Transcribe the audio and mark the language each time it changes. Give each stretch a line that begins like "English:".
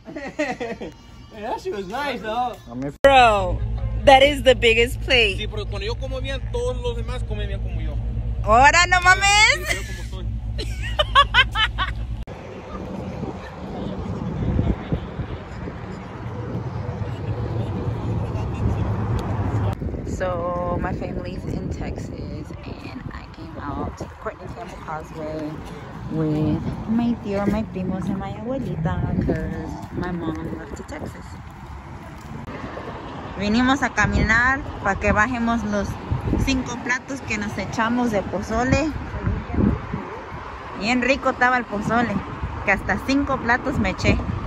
English: Hey, that shit was nice, though. Bro, that is the biggest plate.
Spanish: Sí, pero cuando yo como bien, todos los demás comen bien como yo. Ahora no mames.
English: So my family's in Texas and I came out to Courtney Campbell Causeway with my tío, my primos, and my abuelita because my mom left to Texas.
Spanish: Vinimos a caminar para que bajemos los 5 platos que nos echamos de pozole. Bien rico estaba el pozole, que hasta 5 platos me eché.